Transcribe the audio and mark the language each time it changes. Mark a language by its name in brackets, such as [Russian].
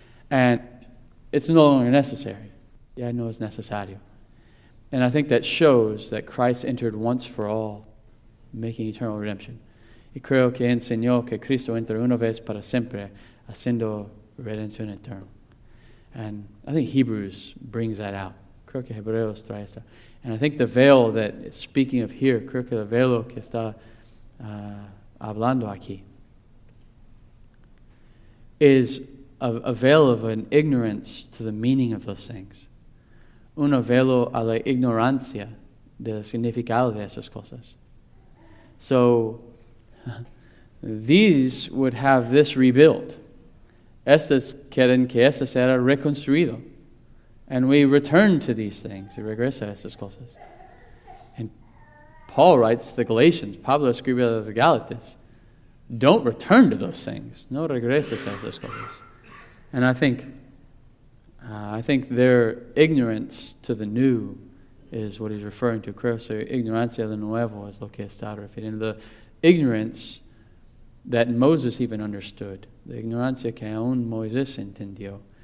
[English] And it's no longer necessary. [Spanish] Ya no es necesario. [English] And I think that shows that Christ entered once for all, making eternal redemption. [Spanish] Y creo que enseñó que Cristo entró una vez para siempre, haciendo redención eterna. [English] And I think Hebrews brings that out. [Spanish] Creo que Hebreos trae esto. [English] And I think the veil that is speaking of here, [Spanish] creo que el velo que está hablando aquí, [English] is a veil of an ignorance to the meaning of those things. [Spanish] Un velo a la ignorancia del significado de esas cosas. [English] So, these would have this rebuilt. [Spanish] Estas quieren que esta sea reconstruido. [English] And we return to these things. [Spanish] Y regresa a estas cosas. [English] And Paul writes to the Galatians, [Spanish] Pablo escribe a los Galatas, [English] don't return to those things. [Spanish] No regreses a esas cosas. [English] And I think their ignorance to the new is what he's referring to. [Spanish] Creo que ignorancia de nuevo es lo que está refiriendo. [English] The ignorance that Moses even understood. [Spanish] The ignorancia que aún Moisés entendió.